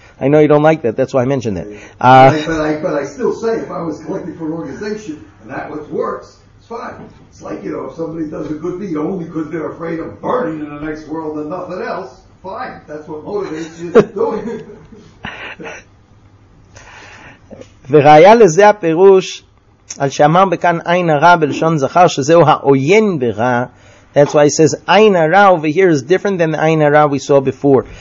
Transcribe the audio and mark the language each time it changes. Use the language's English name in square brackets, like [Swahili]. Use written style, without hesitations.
[English] I know you don't like that, that's why I mentioned it. But I still say if I was collecting for an organization and that what works, it's fine. It's like, you know, if somebody does a good deed only because they're afraid of burning in the next world and nothing else, fine. That's what motivates you to do it. [Hebrew] וראיה לזה הפירוש על שאמר בכאן עין הרע בלשון זכר שזהו העוין ברע. [English] That's why he says עין הרע over here is different than the עין הרע we saw before.